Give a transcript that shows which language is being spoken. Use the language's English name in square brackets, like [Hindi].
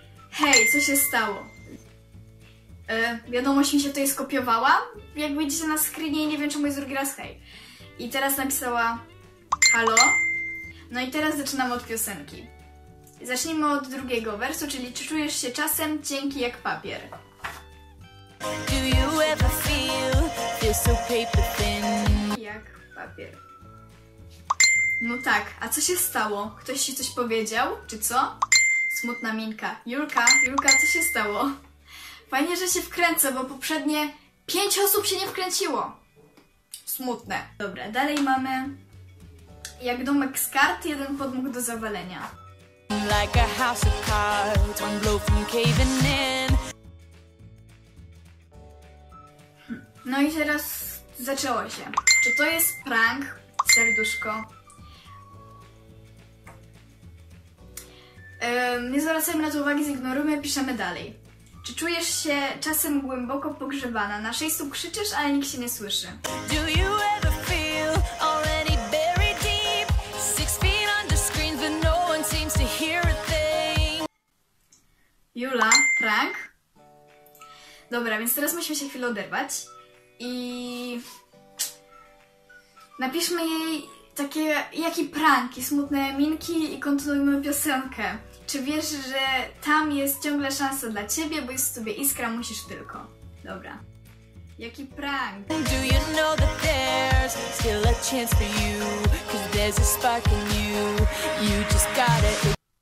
[Polish] Hej, co się stało? Wiadomość mi się tutaj skopiowała, jak widzicie na screenie, i nie wiem czemu jest drugi raz hej. I teraz napisała halo. No i teraz zaczynamy od piosenki. Zacznijmy od drugiego wersu, czyli czy czujesz się czasem cienki jak papier? [English] Do you ever feel this so paper thin? [Polish] Jak papier. No tak, a co się stało? Ktoś ci coś powiedział, czy co? Smutna minka. Julka, co się stało? Fajnie, że się wkręcę, bo poprzednie 5 osób się nie wkręciło. Smutne. Dobra, dalej mamy... Jak domek z kart, jeden podmóg do zawalenia. [English] Like a house of cards, one blow from caving in. [Polish] No i teraz zaczęło się. Czy to jest prank? Serduszko. Nie zwracajmy na to uwagi, zignorujmy, piszemy dalej. Czy czujesz się czasem głęboko pogrzebana? Na 6 stóp krzyczysz, ale nikt się nie słyszy. [English] Do you ever feel already buried deep? 6 feet under screens, but no one seems to hear a thing. [Polish] Jula, prank? Dobra, więc teraz musimy się chwilę oderwać. I... napiszmy jej takie, jaki prank i smutne minki i kontynuujmy piosenkę. Czy wiesz, że tam jest ciągle szansa dla ciebie, bo jest w tobie iskra, musisz tylko. Dobra. Jaki prank. [English] Do you know that there's still a chance for you? Cause there's a spark in you, you just gotta...